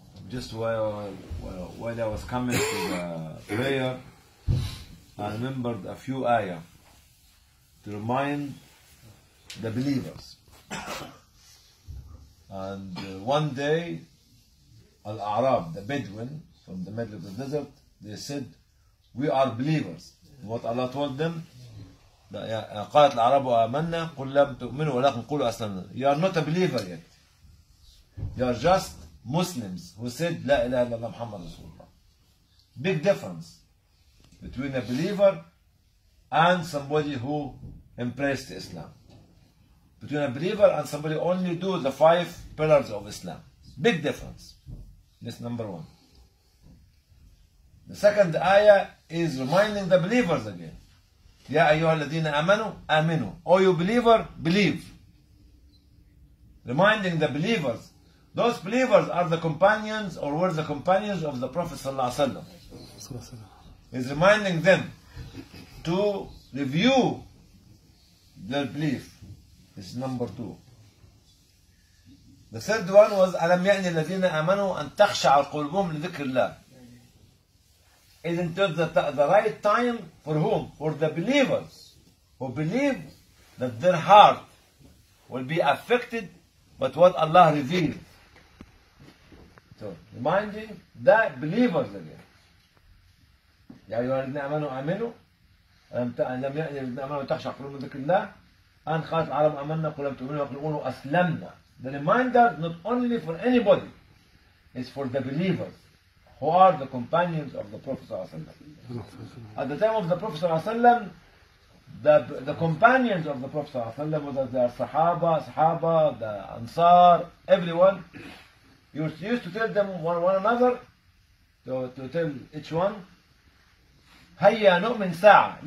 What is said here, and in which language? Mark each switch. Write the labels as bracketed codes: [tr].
[en] Just while I was coming to the prayer, I remembered a few ayah to remind the believers. And one day, Al Arab, the Bedouin from the middle of the desert, they said, "We are believers." What Allah told them? [ar] قالت العرب آمنا قل لم تؤمنوا ولكن قلوا أسلمنا. [en] You are not a believer yet. You are just Muslims who said [ar] لا إله إلا الله محمد رسول الله. [en] Big difference between a believer and somebody who embraced Islam. Between a believer and somebody only do the five pillars of Islam. Big difference. This number one. The second ayah is reminding the believers again. [ar] يا أيها الذين آمنوا آمنوا. [en] All you believer, believe. Reminding the believers. Those believers are the companions or were the companions of the Prophet [ar] صلى الله عليه وسلم. [en] He's reminding them to review their belief. This is number two. The third one was [ar] ألم يأني الذين آمنوا أن تخشع قلوبهم لذكر الله. [en] Isn't it the right time for whom? For the believers who believe that their heart will be affected by what Allah revealed. So, reminding the believers again. [ar] يا أيها الذين آمنوا آمنوا لم يأني الذين آمنوا تخشع قلوبهم لذكر الله أن خالص العالم آمنا قل لم تؤمنوا وقلوا أسلمنا. [en] The reminder not only for anybody, it's for the believers. Who are the companions of the Prophet ﷺ. At the time of the Prophet ﷺ, the companions of the Prophet ﷺ, whether they are Sahaba, the Ansar, everyone, you used to tell them one another, to tell each one, [ar] هَيَّا نُؤْمِنْ سَاعَةً.